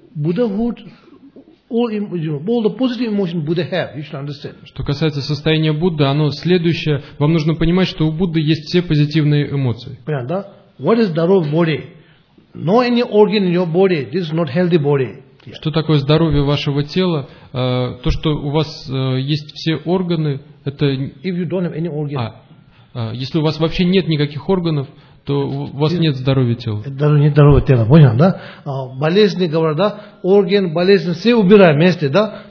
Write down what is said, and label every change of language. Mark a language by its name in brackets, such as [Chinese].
[English] Buddhahood, all the positive emotion Buddha have, you should understand. [Russian] Что касается состояния Будды, оно следующее. Вам нужно понимать, что у Будды есть все позитивные эмоции. Понятно, да? [English] What is [Russian] здоровье [English] body? No any organ in your body, this is not healthy body. Yeah. [Russian] Что такое здоровье вашего тела? То, что у вас есть все органы, это... [English] If you don't have any organ. [Russian] Если у вас вообще нет никаких органов, то у вас нет здоровья тела. Нет здоровья тела, понял, да? Болезни, говорят, да? Орган, болезнь, все убираем вместе, да?